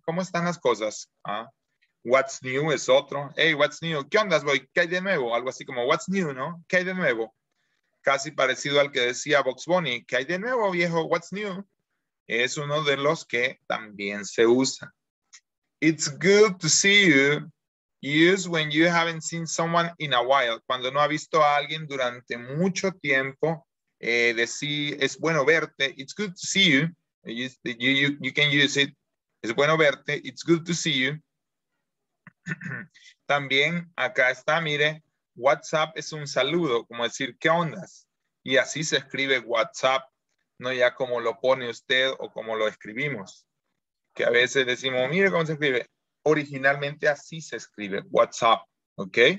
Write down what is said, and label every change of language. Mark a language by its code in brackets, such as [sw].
[es] ¿Cómo están las cosas? ¿Ah? [en] What's new [es] es otro. [en] Hey, what's new? [es] ¿Qué onda, boy? ¿Qué hay de nuevo? Algo así como [en] what's new, [es] ¿no? ¿Qué hay de nuevo? Casi parecido al que decía Box Bunny. ¿Qué hay de nuevo, viejo? [en] What's new? [es] Es uno de los que también se usa. [en] It's good to see you. Use when you haven't seen someone in a while. [es] Cuando no ha visto a alguien durante mucho tiempo. Decir, es bueno verte, [en] it's good to see you. You can use it, [es] es bueno verte, [en] it's good to see you. [es] También acá está, mire, WhatsApp es un saludo, como decir, ¿qué ondas? Y así se escribe WhatsApp, no ya como lo pone usted o como lo escribimos. Que a veces decimos, mire cómo se escribe. Originalmente así se escribe, WhatsApp, ¿ok?